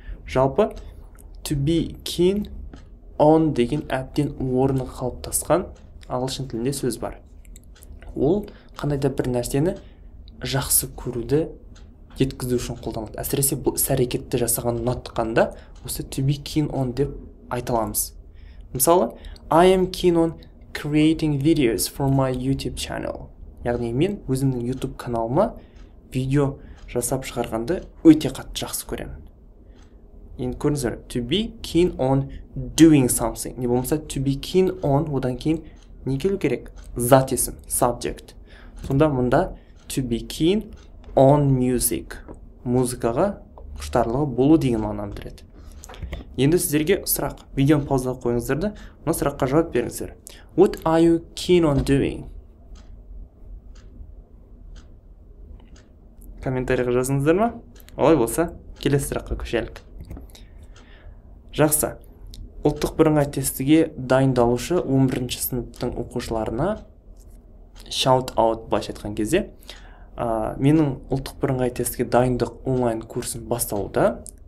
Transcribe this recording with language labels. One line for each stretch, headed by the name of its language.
Kazakh: Жалпы, to be keen on деген әптен орны қалыптасқан ағылшын тілінде сөз бар. Ол қандайда бір нәрсені жақсы көруді жеткізу үшін қолданылады. Әсіресе бұл әрекетті жасаған ұнатқанда осы to be keen on деп айталамыз.
English: Мысалы, I am keen on creating videos for my YouTube channel.
Kazakh: Яғни мен өзімнің YouTube каналыма видео жасап шығарғанды өте қатты жақсы көремін. Енді көріңіздер,
English: to be keen on doing something.
Kazakh: Не болмаса, to be keen on, одан кейін не келу керек? Зат есім, subject. Сонда мұнда
English: to be keen on music.
Kazakh: Музыкаға құштарлығы болу деген мағынаны білдіреді. Енді сіздерге сұрақ. Видеоны паузаға қойыңыздар да, мына сұраққа жауап беріңіздер.
English: What are you keen on doing?
Kazakh: Комментарияға жазыңыздар ма? Олай болса, келесі сұраққа көшелік. Жақсы. Ұлттық бірыңғай тестіге дайындалушы 11-ші сыныптың оқушыларына shout out баш айтқан кезде, менің ұлттық бірыңғай тестіге дайындық онлайн курсын басталуда.